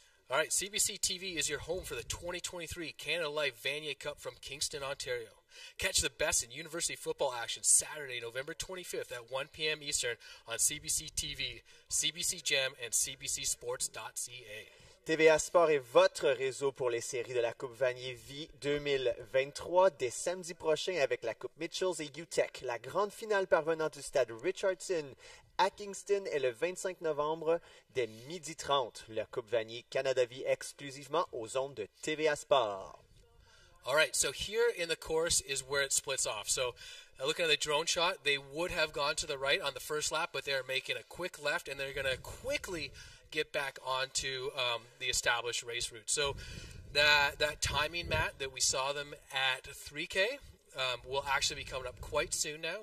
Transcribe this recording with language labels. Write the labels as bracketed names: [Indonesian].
[English] All right, CBC TV is your home for the 2023 Canada Life Vanier Cup from Kingston, Ontario. Catch the best in university football action Saturday, November 25th at 1 p.m. Eastern on CBC TV, CBC Gem, and cbcsports.ca. [French] TVA Sports est votre réseau pour les séries de la Coupe Vanier Vie 2023 dès samedi prochain avec la Coupe Mitchells et UTEC. La grande finale parvenant du stade Richardson à Kingston est le 25 novembre dès 12h30. La Coupe Vanier Canada Vie exclusivement aux ondes de TVA Sports. [English] All right, so here in the course is where it splits off. So looking at the drone shot, they would have gone to the right on the first lap, but they're making a quick left, and they're going to quickly get back onto the established race route. So that timing, Matt, that we saw them at 3K will actually be coming up quite soon now.